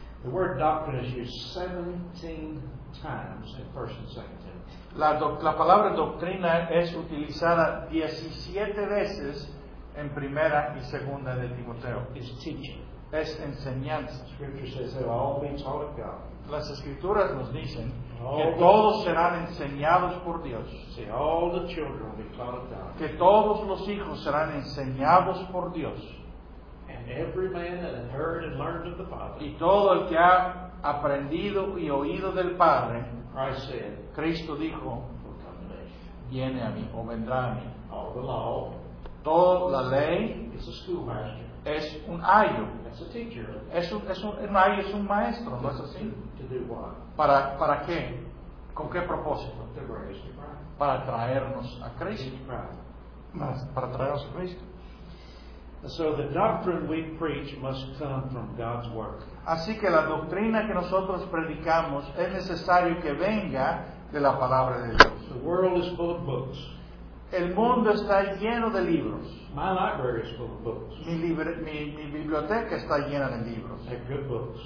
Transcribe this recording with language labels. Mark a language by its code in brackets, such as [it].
[en] The word doctrine is used 17 times in 1 and 2 Timothy. [es] La palabra doctrina es utilizada 17 veces en 1 y 2 de Timoteo. [en] It's teaching. [es] Es enseñanza. [en] Scripture says they'll all be taught of God. [es] Las escrituras nos dicen que todos serán enseñados por Dios. [en] All the children will be taught of God. [es] Que todos los hijos serán enseñados por Dios. [en] And every man that has heard and learned of the Father. [es] Y todo el que ha aprendido y oído del Padre. [en] Christ said, [es] Cristo dijo, viene a mí o vendrá a mí. [en] All the law, [es] toda la ley, [en] it's a schoolmaster. [es] Es un ayo. [en] It's a teacher. [es] Es un ayo, es un maestro, ¿no es así? [en] To do what? [es] ¿Para qué? ¿Con qué propósito? [en] To bring us to Christ. [es] Para traernos a Cristo. Para traernos a Cristo. [en] So the doctrine we preach must come from God's word. [es] Así que la doctrina que nosotros predicamos es necesario que venga de la palabra de Dios. [en] The world is full of books. [es] El mundo está lleno de libros. [en] My library is full of books. [es] Mi biblioteca está llena de libros. [en] They're good books.